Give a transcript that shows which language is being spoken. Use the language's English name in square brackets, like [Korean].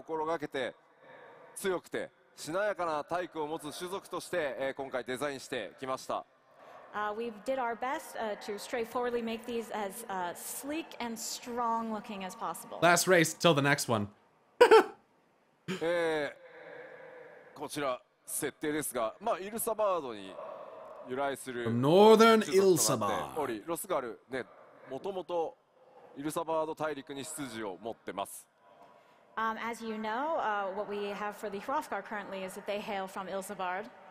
[Japanese] デザイン候補の中からできる限り、ストレートな解釈というのを心がけて強くて [English] We did our best to straightforwardly make these as sleek and strong looking as possible. Last race till the next one. From northern Ilsabar. [Japanese] ロスガルね、もともとイルサバード大陸に出自を持ってます。 [English] As you know, what we have for the Hrothgar currently is that they hail from Ilsebard.